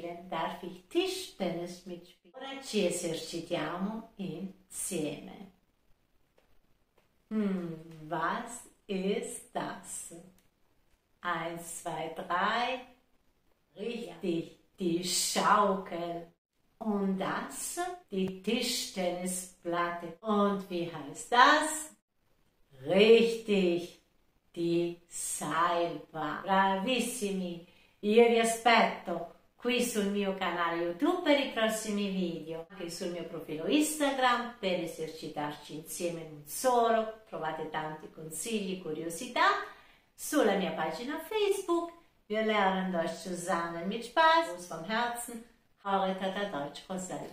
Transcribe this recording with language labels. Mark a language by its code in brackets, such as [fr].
[de] Darf ich Tischtennis mitspielen? [it] Ora ci esercitiamo insieme. [de] Was ist das? 1, 2, 3. Richtig, die Schaukel. Und das? Die Tischtennisplatte. Und wie heißt das? Richtig, die Seilbahn. [it] Bravissimi! Io vi aspetto qui sul mio canale YouTube per i prossimi video, anche sul mio profilo Instagram per esercitarci insieme non solo, trovate tanti consigli, curiosità, sulla mia pagina Facebook. [de] Wir lernen Deutsch zusammen mit Spaß, vom Herzen, eure Tata Deutsch Rosella.